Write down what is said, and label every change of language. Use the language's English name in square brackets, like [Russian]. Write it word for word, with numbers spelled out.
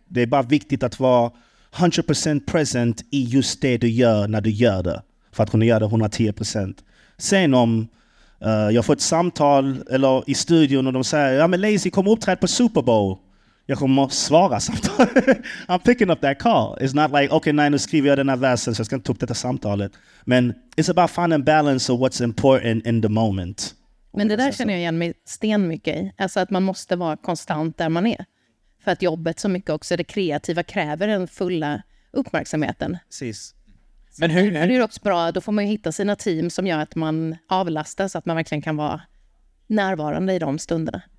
[Swedish] Det är bara viktigt att vara hundra procent present i just det du gör när du gör det. För att kunna göra det hundra tio procent. Sen om uh, jag får ett samtal eller i studion och de säger ja men Lazy kommer uppträda på Super Bowl. Jag kommer svara samtalet. [English] I'm picking up that call. It's not like, [Swedish] okej, okay, nej, nu skriver jag den här versen så jag ska inte ta upp detta samtalet. [English] Men it's about finding balance of what's important in the moment. [Swedish] Men det där känner jag igen mig sten mycket i. Alltså att man måste vara konstant där man är. För att jobbet så mycket också, det kreativa kräver den fulla uppmärksamheten. Precis. Men hur, det är också bra, då får man ju hitta sina team som gör att man avlastas, så att man verkligen kan vara närvarande i de stunderna.